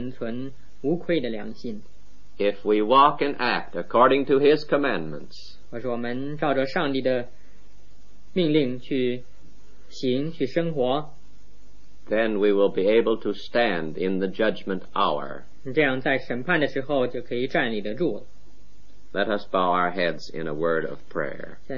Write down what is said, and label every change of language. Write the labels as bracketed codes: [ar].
[zh] 我们在生活上应该非常的谨慎，可以在上帝和人的面前存无愧的良心。 [en] If we walk and act according to His commandments, [zh] 或是我们照着上帝的 命令去行去生活, [en] then we will be able to stand in the judgment hour. [zh] 这样在审判的时候就可以站立得住。 [en] Let us bow our heads in a word of prayer.